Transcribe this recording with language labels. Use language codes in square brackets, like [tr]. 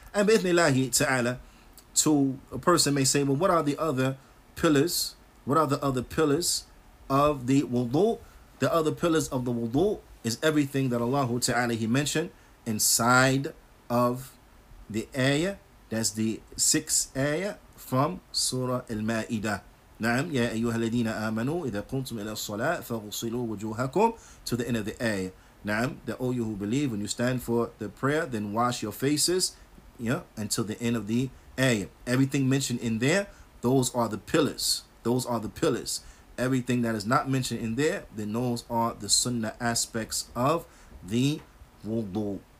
[en] And bi'ithnillahi ta'ala, to a person may say, well, what are the other pillars? What are the other pillars of the wudu? The other pillars of the wudu is everything that Allah Ta'ala He mentioned inside of the ayah. That's the sixth ayah from Surah Al-Ma'idah. [ar] نعم يا أيها الذين آمنوا إذا قمتم إلى الصلاة فغسلوا وجوهكم [en] to the end of the ayah. نعم that all you who believe when you stand for the prayer then wash your faces, yeah, until the end of the ayah. Everything mentioned in there, those are the pillars. Those are the pillars. Everything that is not mentioned in there, then those are the sunnah aspects of the wudu.